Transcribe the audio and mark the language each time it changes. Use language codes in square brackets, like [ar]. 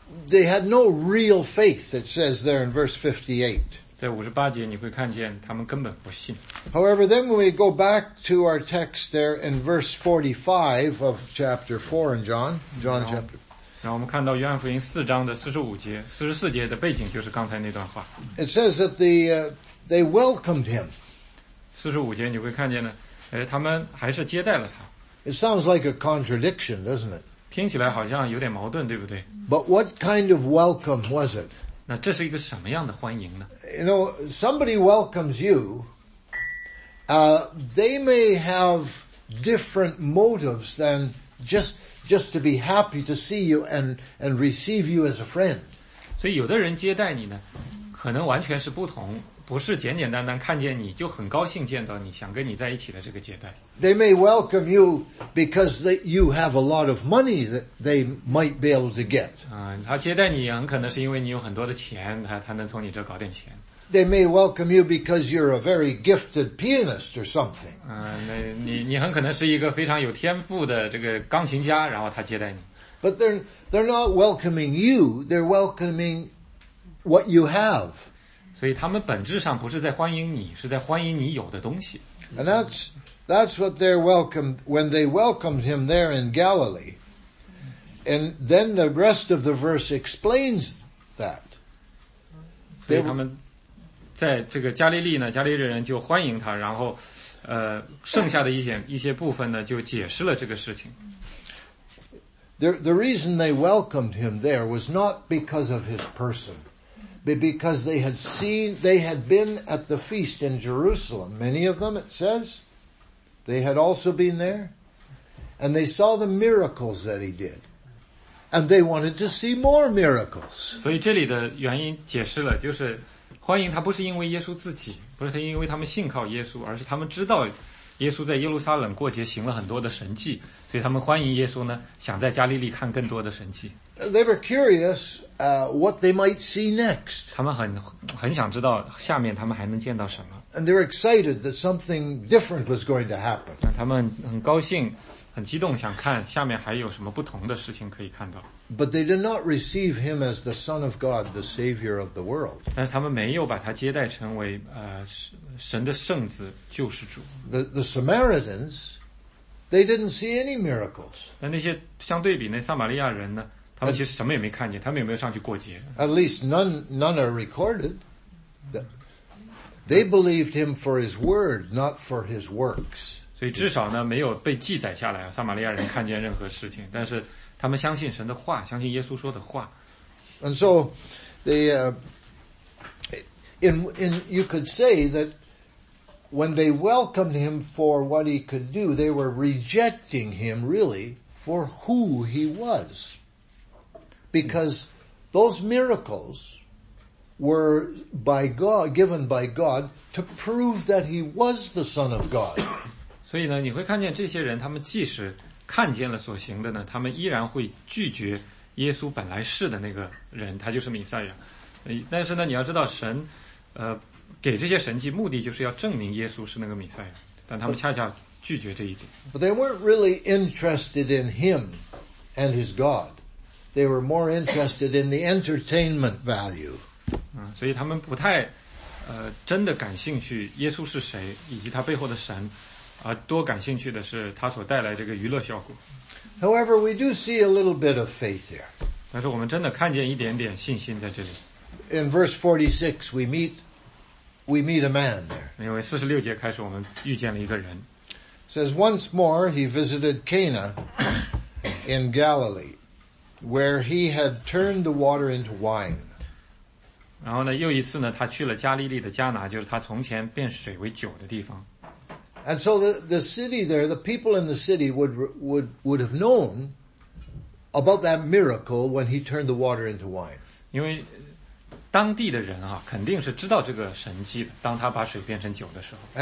[en] They had no real faith, it says there in verse 58. [zh] 在五十八节你会看见他们根本不信。 [en] However, then when we go back to our text there in verse 45 of chapter 4 in John chapter. [zh] 然后我们看到约翰福音四章的44节的背景就是刚才那段话。 [en] It says that they welcomed him. [zh] 45节你会看见呢，他们还是接待了他。 [en] It sounds like a contradiction, doesn't it? [zh] 听起来好像有点矛盾，对不对？ [en] But what kind of welcome was it? [zh] 那这是一个什么样的欢迎呢？ [en] You know, somebody welcomes you, they may have different motives than just to be happy to see you and receive you as a friend. [zh] 所以有的人接待你呢，可能完全是不同，不是简简单单看见你就很高兴见到你，想跟你在一起的这个接待。 [en] They may welcome you because you have a lot of money that they might be able to get. [zh] 他接待你很可能是因为你有很多的钱，他能从你这搞点钱。 [en] They may welcome you because you're a very gifted pianist or something. [zh] 你很可能是一个非常有天赋的这个钢琴家，然后他接待你。 [en] But they're not welcoming you, they're welcoming what you have. [zh] 所以他们本质上不是在欢迎你，是在欢迎你有的东西。 [en] And that's what they're welcomed when they welcomed him there in Galilee. And then the rest of the verse explains that. [zh] 所以他们在这个加利利呢，加利利人就欢迎他，然后剩下的一些部分呢，就解释了这个事情。 [en] The reason they welcomed him there was not because of his person. Because they had been at the feast in Jerusalem, many of them, it says, they had also been there, and they saw the miracles that he did, and they wanted to see more miracles. [zh] 所以这里的原因解释了，就是欢迎他不是因为耶稣自己，不是因为他们信靠耶稣，而是他们知道耶稣在耶路撒冷过节行了很多的神迹，所以他们欢迎耶稣呢，想在加利利看更多的神迹。 [en] They were curious, what they might see next. [zh] 他们很想知道下面他们还能见到什么。 [en] And they were excited that something different was going to happen. [zh] 他们很高兴，很激动，想看下面还有什么不同的事情可以看到。 [en] But they did not receive him as the Son of God, the Savior of the world. [zh] 但是他们没有把他接待成为神的圣子，救世主。 [en] The Samaritans, they didn't see any miracles. [zh] 但那些相对比那撒玛利亚人呢？他们其实什么也没看见，他们也没有上去过节。 [en] At least none are recorded. They believed him for his word, not for his works. [zh] 所以至少呢，没有被记载下来，撒玛利亚人看见任何事情，但是他们相信神的话，相信耶稣说的话。 [en] And so, you could say that when they welcomed him for what he could do, they were rejecting him really for who he was. Because those miracles were by God, given by God to prove that he was the Son of God. [zh] 所以呢，你会看见这些人，他们即使看见了所行的呢，他们依然会拒绝耶稣本来是的那个人，他就是弥赛亚。但是呢，你要知道神，给这些神迹目的就是要证明耶稣是那个弥赛亚，但他们恰恰拒绝这一点。 [en] But they weren't really interested in him and his God. They were more interested in the entertainment value. [zh] 所以他们不太真的感兴趣耶稣是谁以及他背后的神，而多感兴趣的是他所带来这个娱乐效果。 [en] However, we do see a little bit of faith here. [zh] 但是我们真的看见一点点信心在这里。 [en] In verse 46, we meet a man there. [zh] 因为四十六节开始，我们遇见了一个人。 [en] Says once more he visited Cana in Galilee, where he had turned the water into wine. [zh] 然后呢，又一次呢，他去了加利利的加拿，就是他从前变水为酒的地方。 [en] And so the city there, the people in the city would have known about that miracle when he turned the water into wine. [zh] 因为当地的人啊，肯定是知道这个神迹的。当他把水变成酒的时候